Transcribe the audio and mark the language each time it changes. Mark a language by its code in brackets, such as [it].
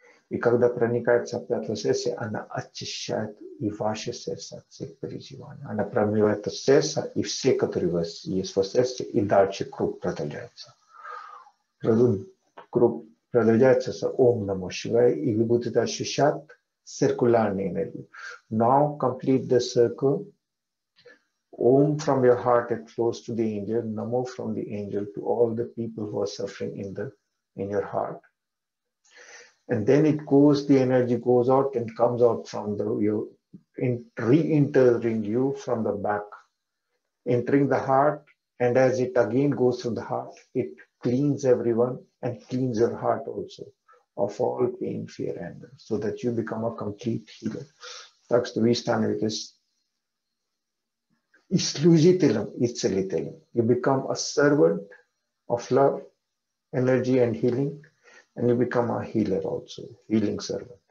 [ru] И когда проникается опять в сердце, она очищает и ваше сердце от всех переживаний. Она промывает сердце и все, которые у вас есть в сердце, и дальше круг продолжается. Круг продолжается с Ом Намо Шивая, и вы будете ощущать циркулярную энергию. [en] Now complete the circle. Om from your heart it flows to the angel, Namo from the angel to all the people who are suffering in your heart. And then it goes, the energy goes out and comes out from the you, in re-entering you from the back, entering the heart. And as it again goes through the heart, it cleans everyone and cleans your heart also of all pain, fear, anger, so that you become a complete healer. [ru] Так что вы становитесь служителем и целителем. [en] You become a servant of love, energy and healing. And you become a healer also, healing servant.